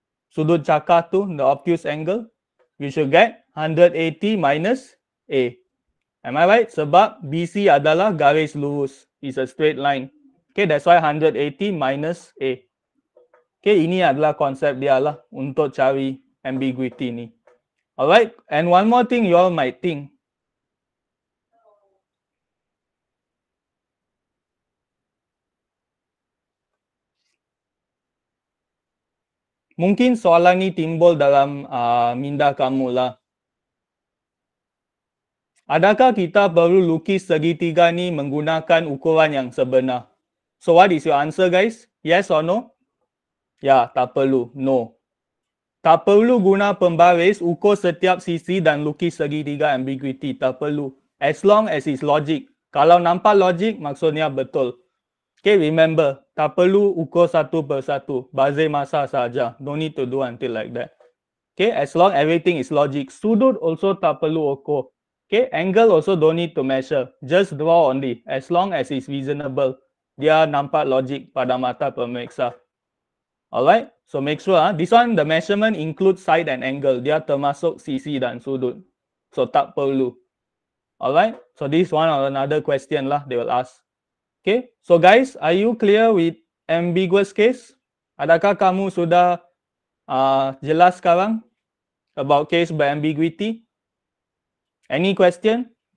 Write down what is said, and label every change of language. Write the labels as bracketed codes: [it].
[ms] Sudut cakar tu, [en] the obtuse angle, you should get 180 minus A. Am I right? [ms] Sebab BC adalah garis lurus. [en] It's a straight line. Okay, that's why 180 minus A. [ms] Okay, ini adalah konsep dia lah untuk cari ambiguity ni. [en] Alright, and one more thing you all might think. [ms] Mungkin soalan ni timbul dalam minda kamu lah. Adakah kita perlu lukis segitiga ni menggunakan ukuran yang sebenar? [en] So what is your answer, guys? Yes or no? [ms] Ya, tak perlu. [en] No. [ms] Tak perlu guna pembaris, ukur setiap sisi dan lukis segitiga ambiguity. Tak perlu. [en] As long as it's logic. [ms] Kalau nampak logic, maksudnya betul. Okay, remember, tak perlu ukur satu per satu. Bazir masa saja. [en] Don't need to do until like that. Okay, as long everything is logic. Sudut also [ms] tak perlu ukur. [en] Okay, angle also don't need to measure. Just draw only. As long as it's reasonable. [ms] Dia nampak logic pada mata pemeriksa. [en] Alright, so make sure. This one, the measurement includes side and angle. [ms] Dia termasuk CC dan sudut. [en] So tak perlu. Alright, so this one or another question lah they will ask. Okay, so guys, are you clear with ambiguous case? [ms] Adakah kamu sudah jelas sekarang [en] about case by ambiguity? [ms] Any question?